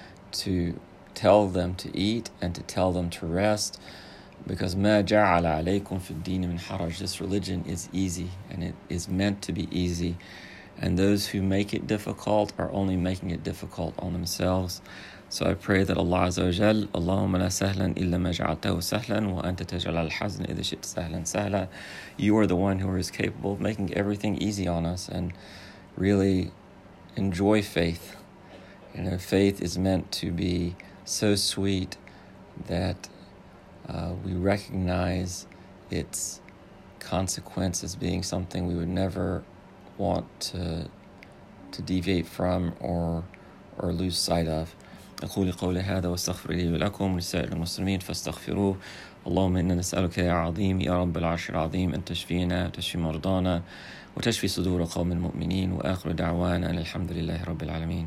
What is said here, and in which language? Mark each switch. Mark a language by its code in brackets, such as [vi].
[en] to tell them to eat and to tell them to rest, because [ar] ما جعل عليكم في الدين من حرج. [en] This religion is easy and it is meant to be easy, and those who make it difficult are only making it difficult on themselves. So I pray that Allah [ar] Azza wa Jal, اللهم لا سهلا إلا ما جعلته سهلا وأنت تجعل الحزن إذا شئت سهلا سهلا. [en] You are the one who is capable of making everything easy on us, and really enjoy faith. You know, faith is meant to be so sweet that we recognize its consequence as being something we would never want to deviate from or lose sight of. [ar] أقول قولي هذا واستغفر لي ولكم ولسائر المسلمين فاستغفروه. اللهم إنا نسألك يا عظيم يا رب العرش العظيم أن تشفينا وتشفي مرضانا وتشفي صدور قوم المؤمنين, وآخر دعوانا أن الحمد لله رب العالمين.